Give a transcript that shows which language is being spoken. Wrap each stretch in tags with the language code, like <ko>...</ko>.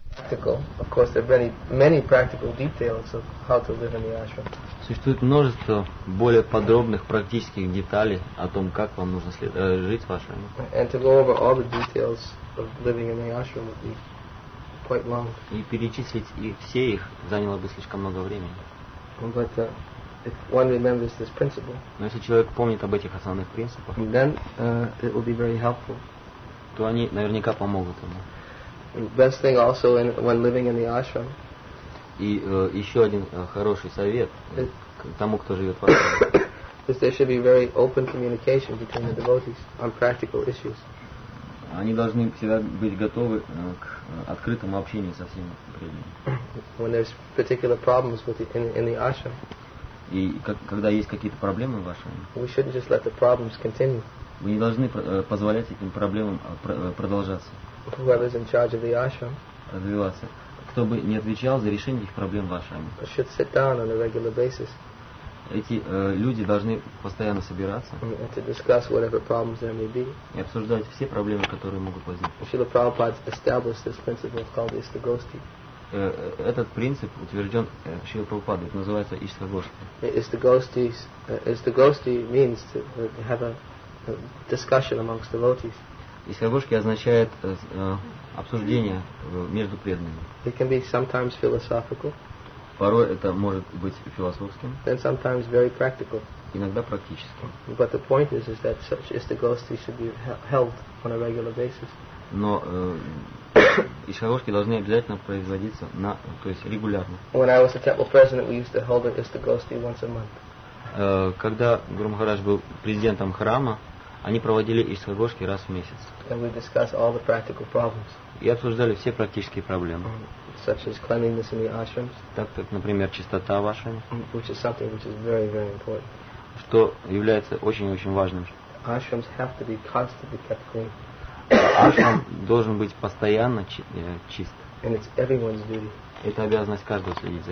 <en>Of course, there are many practical details of how to live in the ashram.</en> <ru>Существует множество более подробных практических деталей о том, как вам нужно жить в ашраме.</ru> <en>And to go over all the details of living in the ashram would be quite long.</en> <ru>И перечислить и все их заняло бы слишком много времени.</ru> <en>But if one remembers this principle,</en> <ru>но если человек помнит об этих основных принципах,</ru> <en>then it will be very helpful.</en> <ru>То они наверняка помогут ему.</ru> <en>Best thing also in, when living in the ashram.</en> <ru>И еще один хороший совет тому, кто живет в ашраме.</ru> <en>Is there should be very open communication between the devotees on practical issues.</en> <ru>Они должны всегда быть готовы к открытому общению со всеми преданными.</ru> <en>When there's particular problems with in the ashram.</en> <ru>И когда есть какие-то проблемы в ашраме.</ru> <en>We shouldn't just let the problems continue.</en> <ru>Вы не должны позволять этим проблемам продолжаться.</ru> <en>Whoever's in charge of the ashram.</en> <ru>Развиваться. Кто бы не отвечал за решение этих проблем в ашраме.</ru> <en>Should sit down on a regular basis.</en> <ru>Эти люди должны постоянно собираться.</ru> <en>And to discuss whatever problems there may be.</en> <ru>И обсуждать все проблемы, которые могут возникнуть.</ru> <en>Srila Prabhupada established this principle called Ishtagosti.</en> <ru>этот принцип утвержден Шрила Прабхупадой, это называется Ишта Гоштха.</ru> <en>Is the Goshti means to have a discussion amongst the devotees.</en> <ru>Ишта Гоштха означает обсуждение между преданными.</ru> <en>It can be sometimes philosophical.</en> <ru>Порой это может быть философским.</ru> <en>Then sometimes very practical.</en> <ru>Иногда практически.</ru> <en>But the point is that such istigosti should be held on a regular basis.</en> <ru>Но ишагошки должны обязательно производиться на, то есть регулярно.</ru> <en>When I was a temple president, we used to hold an istigosti once a month.</en> <ru>Когда Гуру Махарадж был президентом храма, они проводили ишагошки раз в месяц.</ru> <en>And we discussed all the practical problems.</en> <ru>И обсуждали все практические проблемы.</ru> <en>Such as cleanliness in the ashrams.</en> <ru>Так как, например, чистота в ашраме.</ru> <en>Which is something which is very, very important.</en> <ru>Что является очень-очень важным.</ru> <en>Ashrams have to be constantly kept clean.</en> <ru>Ашрам должен быть постоянно чист.</ru> <en>And it's everyone's duty.</en> <ru>Это обязанность каждого следить за</ru>